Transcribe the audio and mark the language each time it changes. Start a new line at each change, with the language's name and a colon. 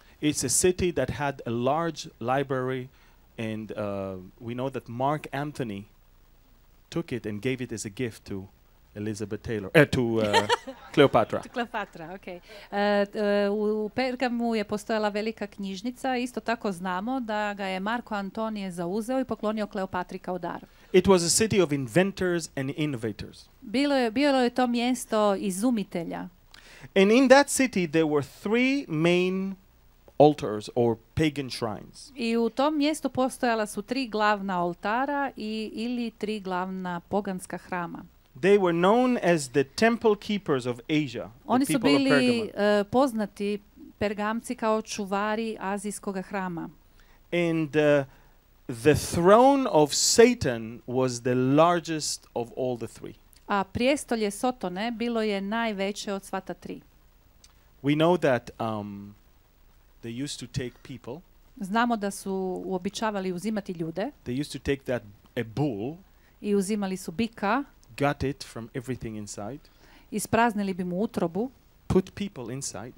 English: It's a city that had a large library, and we know that Mark Anthony took it and gave it as a gift to Elizabeth Taylor, Cleopatra.
Croatian: Cleopatra, okay. U Pergamu je postojala velika knjižnica, isto tako znamo da ga je Marko Antonije zauzeo i poklonio Kleopatri kao dar.
English: It was a city of inventors and innovators.
Croatian: Bilo je to mjesto izumitelja.
English: And in that city there were three main altars or pagan shrines.
Croatian: I u tom mjestu postojala su tri glavna oltara ili tri glavna poganska hrama.
English: They were known as the temple keepers of Asia.
Croatian: Oni su bili poznati Pergamci kao čuvari azijskog hrama.
English: And the throne of Satan was the largest of all the three.
Croatian: A prijestolje Sotone bilo je najveće od sva ta tri.
English: We know that they used to take people.
Croatian: Znamo da su uobičavali uzimati ljude.
English: They used to take that a bull.
Croatian: I uzimali su bika.
English: Got it from everything inside.
Croatian: Ispraznili bi mu utrobu.
English: Put people inside.